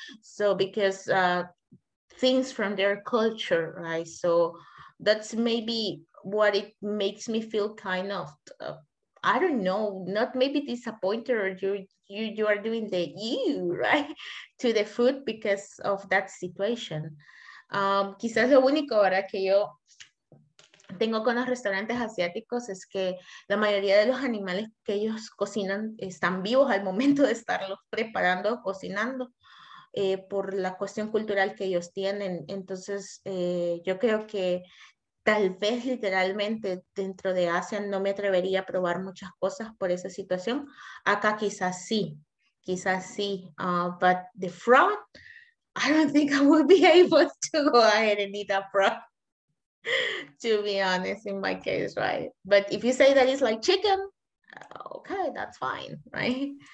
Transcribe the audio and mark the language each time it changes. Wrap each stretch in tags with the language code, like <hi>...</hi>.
<en>So because things from their culture, right? So that's maybe what it makes me feel kind of, I don't know, not maybe disappointed, or you are doing the ew, right, to the food because of that situation.</en> <es>Quizás lo único, ¿verdad?, que yo tengo con los restaurantes asiáticos es que la mayoría de los animales que ellos cocinan están vivos al momento de estarlos preparando, cocinando, por la cuestión cultural que ellos tienen. Entonces, yo creo que tal vez literalmente dentro de Asia no me atrevería a probar muchas cosas por esa situación. Acá quizás sí,</es> <en>but the fraud, I don't think I would be able to go ahead and eat a frog, to be honest, in my case, right? But if you say that it's like chicken, okay, that's fine, right?</en>